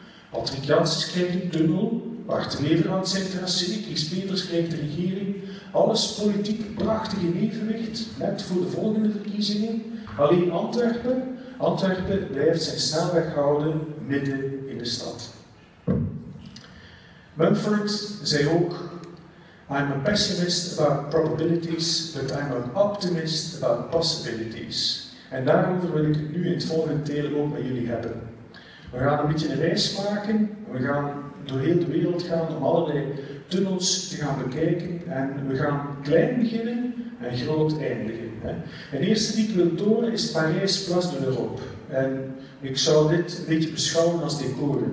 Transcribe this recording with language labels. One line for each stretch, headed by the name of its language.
Dutch: Patrick Janssens kreeg een tunnel, Bart Leverand zijn tracé, Chris Peters kreeg de regering, alles politiek prachtig in evenwicht, net voor de volgende verkiezingen. Alleen Antwerpen blijft zijn snelweg houden midden in de stad.
English: Mumford
Dutch: zei ook:
English: I'm a pessimist about probabilities, but I'm an optimist about possibilities.
Dutch: En daarover wil ik het nu in het volgende deel ook met jullie hebben. We gaan een beetje een reis maken, we gaan door heel de wereld gaan om allerlei tunnels te gaan bekijken en we gaan klein beginnen en groot eindigen. Het eerste die ik wil tonen is Parijs Place de l'Europe. En ik zou dit een beetje beschouwen als decor.